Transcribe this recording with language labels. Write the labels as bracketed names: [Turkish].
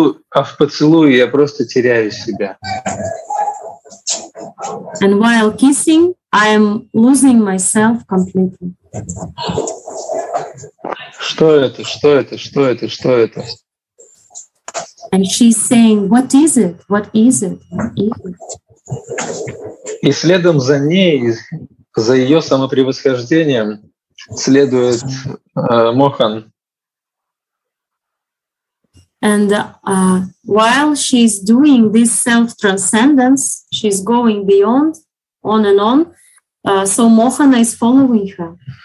[Russian] А в поцелуе я просто теряю себя. [English] And while kissing, I am losing myself completely. [Russian] Что это? [English] And she's saying, what is it? What is it? [Russian] И следом за ней, за ее самопревосхождением, следует Мохан. [English] And while she's doing this self-transcendence, she's going beyond, on and on, so Mohana is following her.